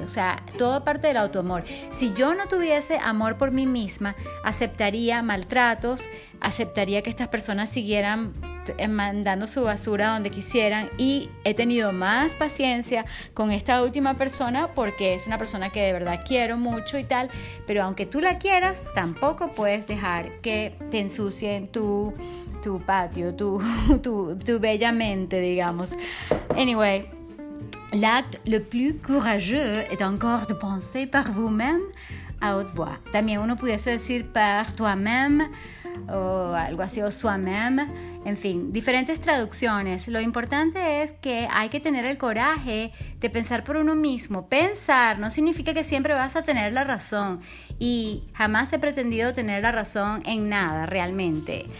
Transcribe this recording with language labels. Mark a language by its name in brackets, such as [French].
[Spanish] O sea, todo parte del autoamor. Si yo no tuviese amor por mí misma, aceptaría maltratos, aceptaría que estas personas siguieran mandando su basura donde quisieran, y he tenido más paciencia con esta última persona porque es una persona que de verdad quiero mucho y tal, pero aunque tú la quieras, tampoco puedes dejar que te ensucien tu patio, tu bella mente, digamos. [French] Anyway, l'acte le plus courageux est encore de penser par vous-même à haute voix. [Spanish] También uno pudiese decir [French] par toi-même [Spanish] o algo así, o soi-même. En fin, diferentes traducciones. Lo importante es que hay que tener el coraje de pensar por uno mismo. Pensar no significa que siempre vas a tener la razón. Y jamás he pretendido tener la razón en nada, realmente.